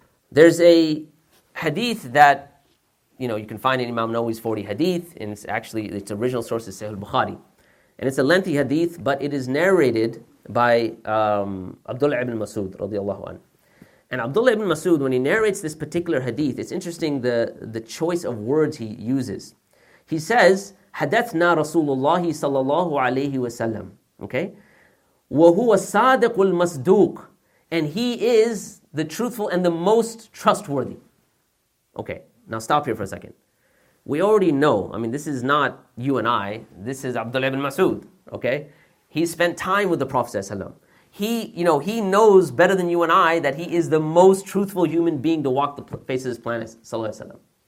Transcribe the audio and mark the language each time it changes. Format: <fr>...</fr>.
<en>There's a hadith that, you know, you can find in Imam Nawawi's 40 hadith, and it's actually, its original source is Sahih al-Bukhari. And it's a lengthy hadith, but it is narrated by Abdullah ibn Mas'ud, radiallahu anhu. And Abdullah ibn Mas'ud, when he narrates this particular hadith, it's interesting the choice of words he uses. He says,</en> <ar>حَدَثْنَا رَسُولُ اللَّهِ صَلَى اللَّهُ عَلَيْهِ وَسَلَّمُ Okay? وَهُوَ الصَّادِقُ الْمَصْدُوقُ</ar> <en>And he is the truthful and the most trustworthy. Okay, now stop here for a second. We already know, I mean, this is not you and I, this is Abdullah ibn Mas'ud, okay? He spent time with the Prophet ﷺ. He knows better than you and I that he is the most truthful human being to walk the face of this planet, ﷺ.</en>